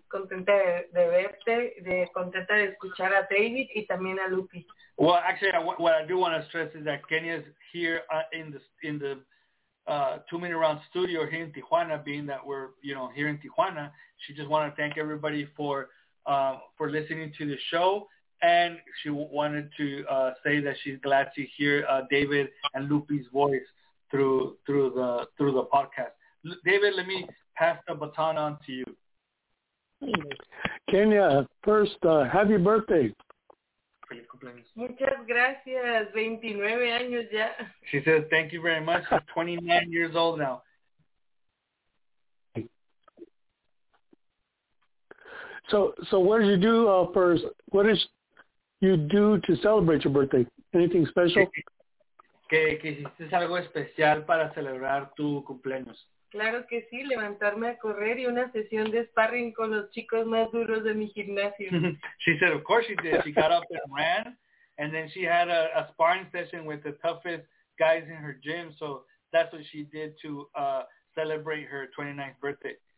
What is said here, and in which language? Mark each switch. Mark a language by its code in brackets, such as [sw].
[es] Contenta de verte, contenta de escuchar a David y también a Lupi. [en] Well, actually, what I do want to stress is that Kenia is here in the two-minute round studio here in Tijuana, being that we're, you know, here in Tijuana. She just want to thank everybody for listening to the show. And she wanted to say that she's glad to hear David and Lupi's voice through the podcast. David, let me pass the baton on to you. Kenia, first, happy birthday. [es] Feliz cumpleaños. Muchas gracias. 29 años ya. [en] She says, thank you very much. She's 29 years old now. So what did you do first? You do to celebrate your birthday? Anything special? [es] Que hiciste algo especial para celebrar tu cumpleaños. Claro que sí, levantarme a correr y una sesión de sparring con los chicos más duros de mi gimnasio. [en] She said, of course she did. She got up and ran, and then she had a sparring session with the toughest guys in her gym, so that's what she did to celebrate her 29th birthday.